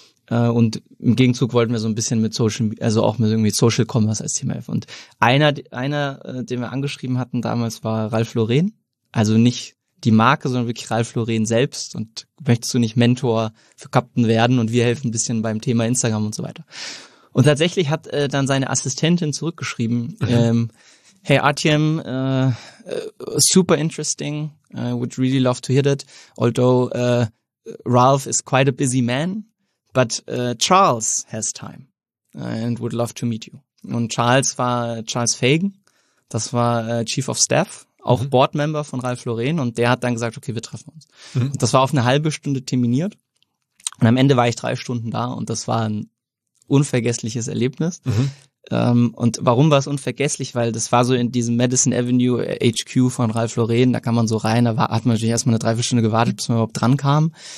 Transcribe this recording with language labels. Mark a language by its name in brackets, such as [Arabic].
[German] Und im Gegenzug wollten wir so ein bisschen mit Social, also auch mit irgendwie Social Commerce als Thema helfen. Und einer, den wir angeschrieben hatten damals, war Ralf Lauren. Also nicht die Marke, sondern wirklich Ralph Lauren selbst. Und möchtest du nicht Mentor für Captain werden und wir helfen ein bisschen beim Thema Instagram und so weiter. Und tatsächlich hat dann seine Assistentin zurückgeschrieben, [English] hey Artyom, super interesting, I would really love to hear that, although Ralph is quite a busy man, but Charles has time and would love to meet you. [German] Und Charles war Charles Fagan, das war Chief of Staff, auch Boardmember von Ralph Lauren, und der hat dann gesagt, okay, wir treffen uns. Und das war auf eine halbe Stunde terminiert und am Ende war ich 3 Stunden da und das war ein unvergessliches Erlebnis. Und warum war es unvergesslich? Weil das war so in diesem Madison Avenue HQ von Ralph Lauren, da kam man so rein, da hat man natürlich erstmal 3-4 Stunden gewartet, bis man überhaupt dran kam.